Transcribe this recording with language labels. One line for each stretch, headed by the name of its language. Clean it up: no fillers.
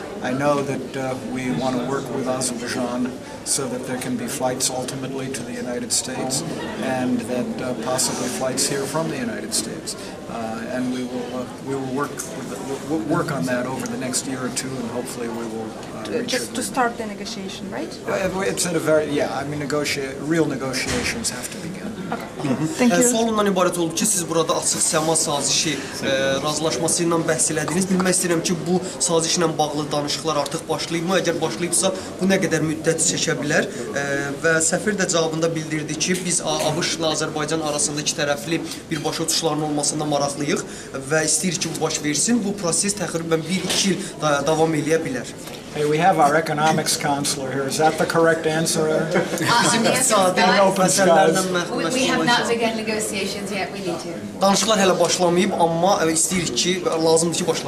English: I know that we want to work with Azerbaijan so that there can be flights ultimately to the United States and that possibly flights here from the United States. And we will work on that over the next year or two and hopefully we will Start the negotiation, right? Real negotiations have to begin.
Azerbaijani: Sualından ibarət olub ki, siz burada açıq səma sazişi razılaşması ilə bəhs elədiniz. Bilmək istəyirəm ki, bu saziş ilə bağlı danışıqlar artıq başlayıb mı? Əgər başlayıbsa, bu nə qədər müddət çəkə bilər? Və səfir də cavabında bildirdi ki, biz ABŞ-la Azərbaycan arasında iki tərəfli bir başa uçuşlarının olmasında maraqlıyıq və istəyir ki, bu baş versin. Bu proses təxribən 1-2 il davam eləyə bilər.
English: Hey, we have our economics counselor here. Is that the correct answer? We have not begun negotiations yet. We need to.